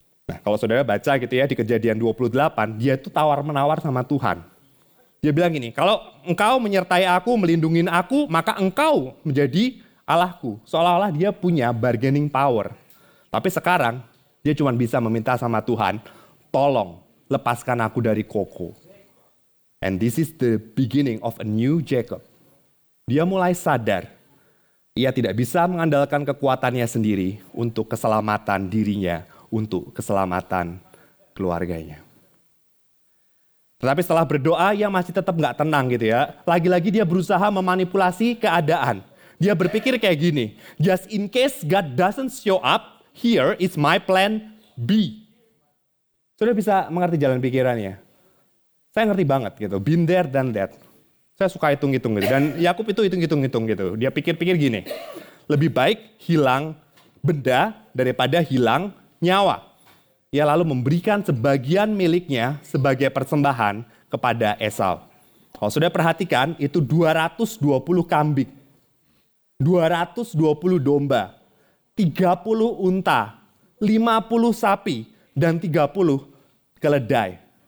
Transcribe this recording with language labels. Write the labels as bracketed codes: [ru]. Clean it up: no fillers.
[id] Nah, kalau saudara baca gitu ya di Kejadian 28, dia itu tawar-menawar sama Tuhan. Dia bilang gini, kalau engkau menyertai aku, melindungin aku, maka engkau menjadi Allahku. Seolah-olah dia punya bargaining power. Tapi sekarang, dia cuma bisa meminta sama Tuhan, tolong lepaskan aku dari koko. [en] And this is the beginning of a new Jacob. [id] Dia mulai sadar, ia tidak bisa mengandalkan kekuatannya sendiri untuk keselamatan dirinya, untuk keselamatan keluarganya. Tetapi setelah berdoa, ia masih tetap gak tenang gitu ya. Lagi-lagi dia berusaha memanipulasi keadaan. Dia berpikir kayak gini, [en] just in case God doesn't show up, here is my plan B. [id] Sudah bisa mengerti jalan pikirannya? Saya ngerti banget gitu, [en] been there than that. [id] Saya suka hitung-hitung gitu, dan Yakub itu hitung-hitung gitu. Dia pikir-pikir gini, lebih baik hilang benda daripada hilang nyawa. Ia lalu memberikan sebagian miliknya sebagai persembahan kepada Esau. Kalau sudah perhatikan, itu 220 kambing, 220 domba, 30 unta, 50 sapi, dan 30 keledai.